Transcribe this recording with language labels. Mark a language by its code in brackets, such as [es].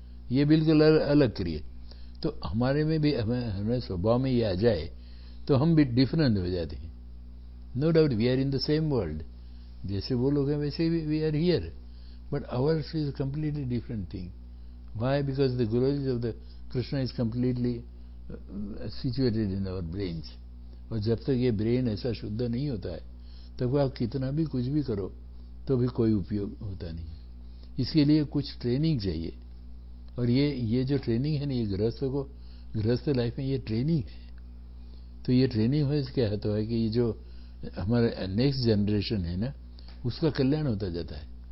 [hi] ये बिल्कुल अलग creation. तो हमारे में भी हमें स्वभाव में ये आ जाए, तो हम भी different हो जाते हैं. [en] No doubt we are in the same world. [hi] जैसे वो लोग हैं वैसे [en] we are here. But ours is a completely different thing. Why? Because the glories of the Krishna is completely situated in our brains. [hi] और जब तक ये brain ऐसा शुद्ध नहीं होता है, तब आप कितना भी कुछ भी करो, तो भी कोई उपयोग होता नहीं. इसके लिए कुछ training चाहिए. और ये जो training है ना, ये गृहस्थों को गृहस्थ life में ये training है. तो ये training हो इसका है तो है कि ये जो हमारे next generation है ना, उसका कल्याण होता जाता है.